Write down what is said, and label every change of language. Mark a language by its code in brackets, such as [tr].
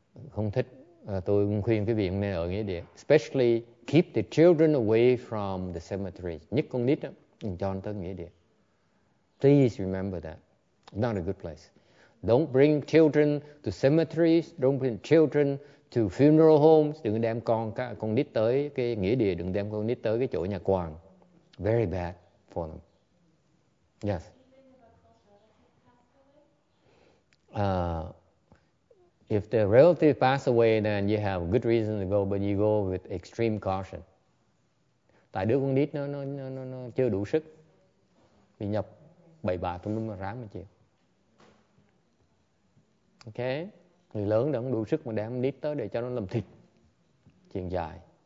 [vi] Không thích, tôi cũng khuyên quý vị không nên ở nghĩa địa. [en] Especially keep the children away from the cemetery. [vi] Nhất con nít đó, cho nó tới nghĩa địa. [en] Please remember that. Not a good place. Don't bring children to cemeteries. Don't bring children to funeral homes. [vi] Đừng đem con nít tới cái nghĩa địa. Đừng đem con nít tới cái chỗ nhà quan. [en] Very bad for them. Yes. Even if If the relative passed away, then you have good reason to go, but you go with extreme caution. [vi] Tại đứa con nít nó chưa đủ sức. Bị nhập bậy bạ tùm lum ráng mà chịu. Ok. Người lớn đã không đủ sức mà đem nít tới để cho nó làm thịt. Chuyện dài.